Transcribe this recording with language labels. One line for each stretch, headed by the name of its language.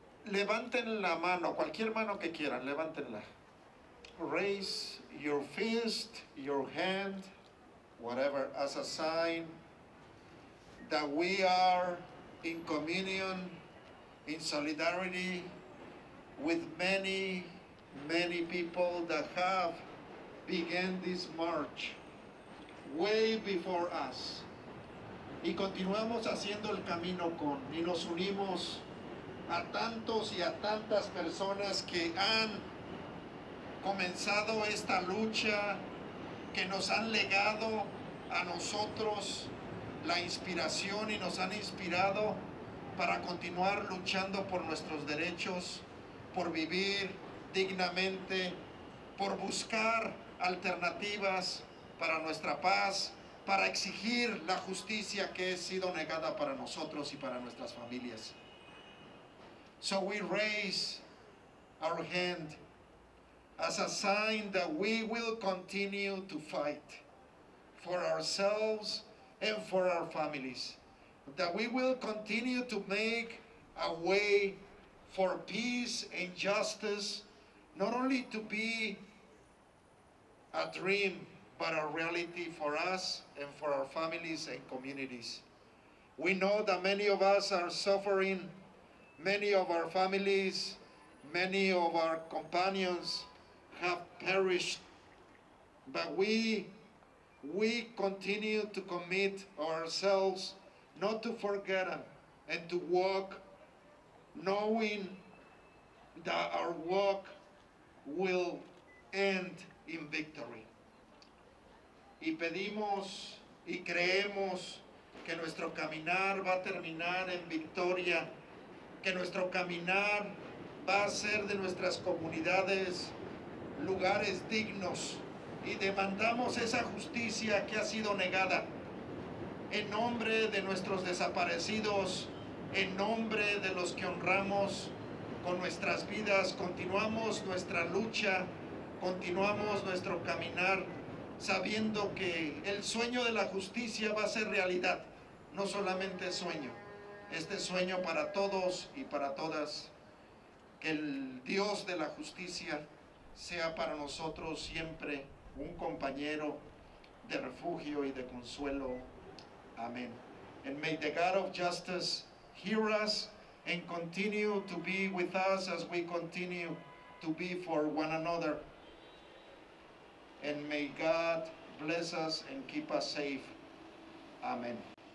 Spanish: Levanten la mano, cualquier mano que quieran, levántenla.
English: Raise your fist, your hand, whatever, as a sign that we are in communion, in solidarity with many, many people that have begun this march way before us.
Spanish: Y continuamos haciendo el camino con, y nos unimos a tantos y a tantas personas que han comenzado esta lucha, que nos han legado a nosotros la inspiración y nos han inspirado para continuar luchando por nuestros derechos, por vivir dignamente, por buscar alternativas para nuestra paz, para exigir la justicia que ha sido negada para nosotros y para nuestras familias.
English: So we raise our hand as a sign that we will continue to fight for ourselves and for our families, that we will continue to make a way for peace and justice, not only to be a dream, but a reality for us and for our families and communities. We know that many of us are suffering. Many of our families, many of our companions have perished, but we continue to commit ourselves not to forget them and to walk, knowing that our walk will end in victory.
Spanish: Y pedimos y creemos que nuestro caminar va a terminar en victoria, que nuestro caminar va a ser de nuestras comunidades lugares dignos, y demandamos esa justicia que ha sido negada en nombre de nuestros desaparecidos, en nombre de los que honramos con nuestras vidas. Continuamos nuestra lucha, continuamos nuestro caminar sabiendo que el sueño de la justicia va a ser realidad, no solamente sueño. Este sueño para todos y para todas, que el Dios de la justicia sea para nosotros siempre un compañero de refugio y de consuelo. Amén.
English: And may the God of justice hear us and continue to be with us as we continue to be for one another. And may God bless us and keep us safe. Amen.